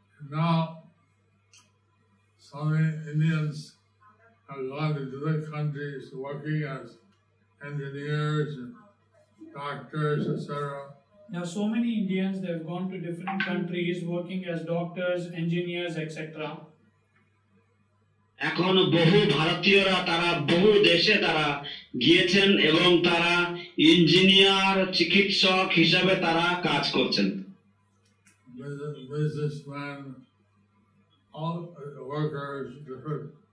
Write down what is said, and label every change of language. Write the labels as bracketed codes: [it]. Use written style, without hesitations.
[en] Now, some Indians have gone to other countries working as engineers and doctors, etc. Now, so many Indians, they have gone to different countries working as doctors, engineers, etc. [bn] এখন বহু ভারতীয়রা তারা বহু দেশে তারা গিয়েছেন এবং তারা ইঞ্জিনিয়ার চিকিৎসক হিসাবে তারা কাজ করছেন। [en] Businessman, all workers, different